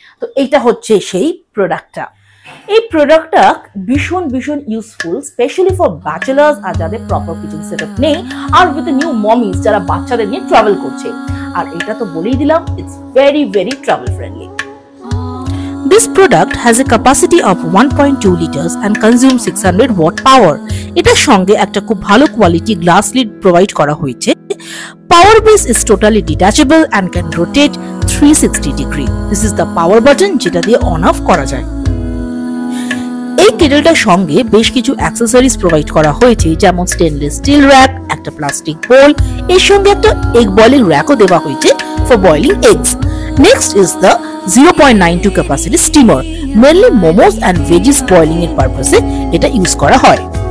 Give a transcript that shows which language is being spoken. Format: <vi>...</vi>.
<bn>তো এইটা হচ্ছে সেই প্রোডাক্টটা। এই প্রোডাক্টটা ভীষণ ভীষণ ইউজফুল,</bn> <en>specially for bachelors</en> <bn>আর যাদের প্রপার কিচেন সেট আপ নেই, আর</bn> <en>with new mommies</en> <bn>যারা বাচ্চাদের নিয়ে ট্রাভেল করছে। আর এটা তো বলেই দিলাম,</bn> <en>It's very very travel friendly. This product has a capacity of 1.2 liters and consumes 600 watt power.</en> <bn>এটা সঙ্গে একটা খুব ভালো কোয়ালিটি গ্লাস লিড প্রোভাইড করা হয়েছে।</bn> <en>Power base is totally detachable and can rotate 360 degree. This is the power button</en> <bn>যেটা দিয়ে on of করা যায়। এই কেটেলটার সঙ্গে বেশ কিছু অ্যাক্সেসরিজ প্রোভাইড করা হয়েছে, যেমন স্টেনলেস স্টিল র‍্যাক, একটা প্লাস্টিক বোল, এর সঙ্গে একটা এগ বয়লিং র‍্যাকও দেওয়া হয়েছে</bn> <en>For boiling eggs. Next is the 0.92 capacity steamer, mainly momos and veggies boiling</en> <bn>এর পারপাসে এটা ইউজ করা হয়।</bn>